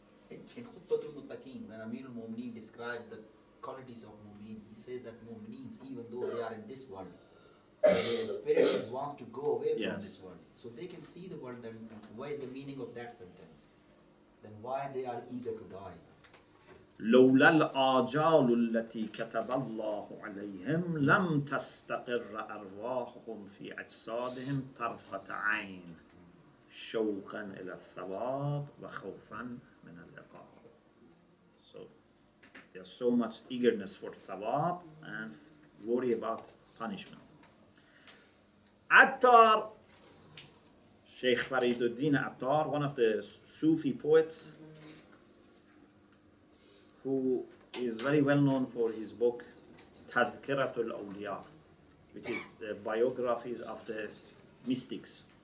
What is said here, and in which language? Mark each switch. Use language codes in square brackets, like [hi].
[en] In Khutbatul Muttaqin, when Amir al-Mu'mineen describes the qualities of Mu'mineen, he says that Mu'mineen, even though they are in this world, their spirit wants to go away from yes. this world. So they can see the world, then what is the meaning of that sentence? Then why they are eager to die? [ar] لولا الآجال التي كتب الله عليهم لم تستقر أرواحهم في أجسادهم طرفة عين شوقا إلى الثواب وخوفا من العقاب. [en] So there's so much eagerness for thawab and worry about punishment. Attar, Sheikh Fariduddin Attar, one of the Sufi poets, who is very well known for his book Tadhkiratul Awliya, which is the biographies of the mystics.